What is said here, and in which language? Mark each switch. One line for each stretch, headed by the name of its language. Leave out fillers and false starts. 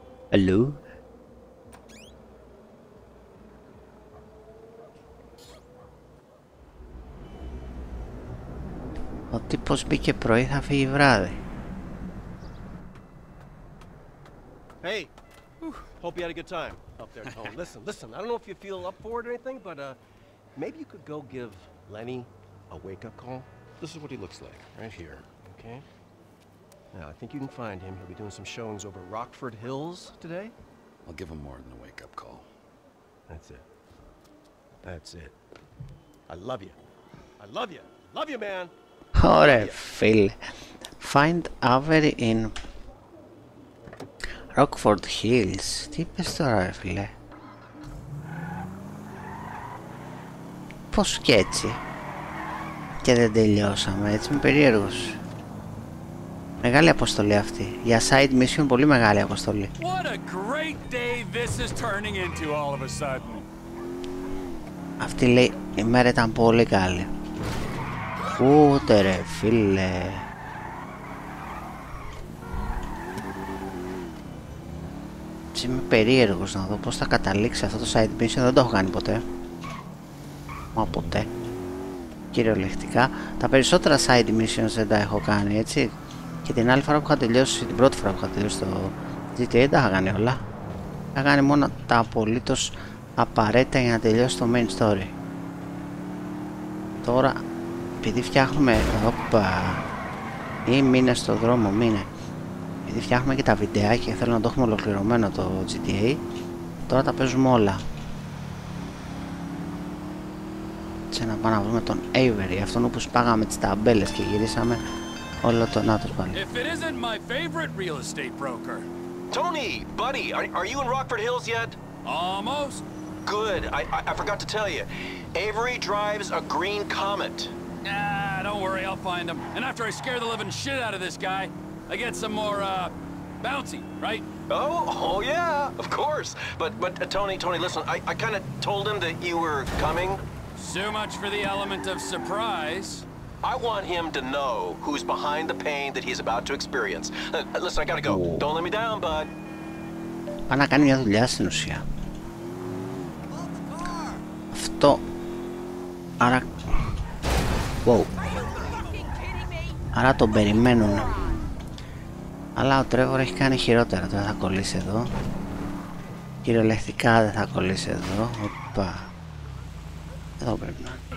English: Hello.
Greek: Ο τύπος μπήκε πρωί, θα φύγει βράδυ.
English: Hey. Hope you had a good time up there, Tony. Listen, listen, I don't know if you feel up for it or anything, but maybe you could go give Lenny a wake-up call. This is what he looks like, right here, okay? Now, I think you can find him. He'll be doing some showings over Rockford Hills today. I'll give him more than a wake-up call. That's it. That's it. I love you. I love you. Love you, man!
Greek: Ωραία,
English: Phil. Find Avery in...
Greek: Rockford Hills, τι είπες τώρα ρε φίλε. Πως και έτσι. Και δεν τελειώσαμε, έτσι είμαι περίεργος. Μεγάλη αποστολή αυτή, για side mission πολύ μεγάλη αποστολή.
English: What a great day this is turning into all of a sudden.
Greek: Αυτή λέει, η μέρα ήταν πολύ καλή. Ούτε ρε φίλε. Είμαι περίεργος να δω πως θα καταλήξει αυτό το side mission. Δεν το έχω κάνει ποτέ. Μα ποτέ. Κυριολεκτικά. Τα περισσότερα side missions δεν τα έχω κάνει έτσι. Και την άλλη φορά που είχα τελειώσει, την πρώτη φορά που είχα τελειώσει το GTA, δεν τα είχα κάνει όλα. Θα κάνει μόνο τα απολύτως απαραίτητα για να τελειώσει το main story. Τώρα, επειδή φτιάχνουμε, οπα, ή μήνε στο δρόμο, μήνε. Επειδή φτιάχνουμε και τα βιντεάκια, θέλω να το έχουμε ολοκληρωμένο το GTA. Τώρα τα παίζουμε όλα. Σε να πάμε να βρούμε τον Avery, αυτόν όπου σπάγαμε τις ταμπέλες και γυρίσαμε όλο το νάτος πάλι.
English: If it isn't my favorite real estate broker. Tony, buddy, are you in Rockford Hills yet? Almost. Good, I forgot to tell you. Avery drives a green comet. Nah, don't worry, I'll find him. And after I scare the living shit out of this guy, I get some more, bouncy, right? Oh, yeah, of course. But Tony, listen, I kind of told him that you were coming. So much for the element of surprise. I want him to know who's behind the pain that he's about to experience. Listen, I gotta go. Ooh. Don't let me down, bud.
Greek: Πάνε να κάνει μια δουλειά στην ουσία. Αυτό. Άρα... Wow. Άρα τον περιμένουν. Αλλά ο Τρέβορ έχει κάνει χειρότερα, δεν θα κολλήσει εδώ. Κυριολεκτικά δεν θα κολλήσει εδώ. Οπα. Εδώ πρέπει να.